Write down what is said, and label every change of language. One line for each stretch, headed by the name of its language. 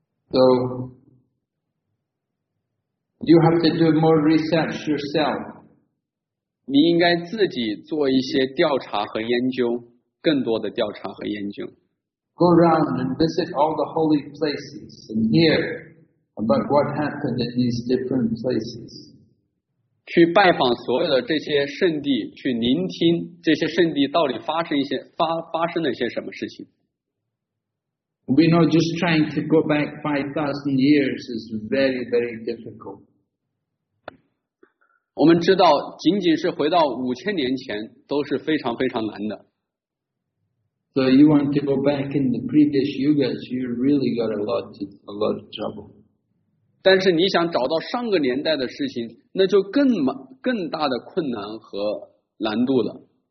English: So, you have to do more research yourself.
Chinese: 你应该自己做一些调查和研究，更多的调查和研究。
English: Go around and visit all the holy places and hear about what happened in these different places.
Chinese: 去拜访所有的这些圣地，去聆听这些圣地到底发生了些什么事情。
English: We know just trying to go back 5,000 years is very, very difficult.
Chinese: 我们知道仅仅是回到5000年前都是非常非常难的。
English: So you want to go back in the previous yugas, you really got a lot of trouble.
Chinese: 但是你想找到上个年代的事情，那就更大的困难和难度了。